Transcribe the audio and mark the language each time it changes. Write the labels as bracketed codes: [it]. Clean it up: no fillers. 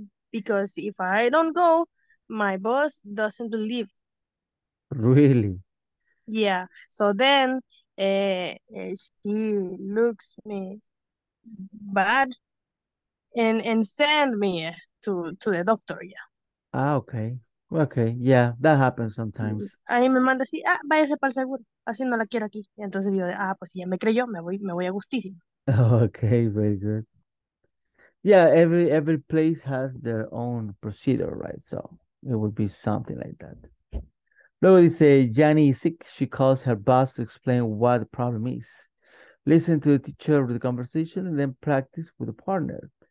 [en] Because if I don't go, my boss doesn't believe. Really? Yeah. So then she looks me bad and send me to the doctor, yeah. Ah, okay. Okay, yeah, that happens sometimes. [es] Ahí me manda así, ah, váyase para el seguro. Así no la quiero aquí. Y entonces digo, ah, pues si ya me creyó, me voy a gustísimo. [en] Okay, very good. Yeah, every place has their own procedure, right? So it would be something like that. [es] Luego dice, [en] Jenny is sick. She calls her boss to explain what the problem is. Listen to the teacher with the conversation and then practice with a partner.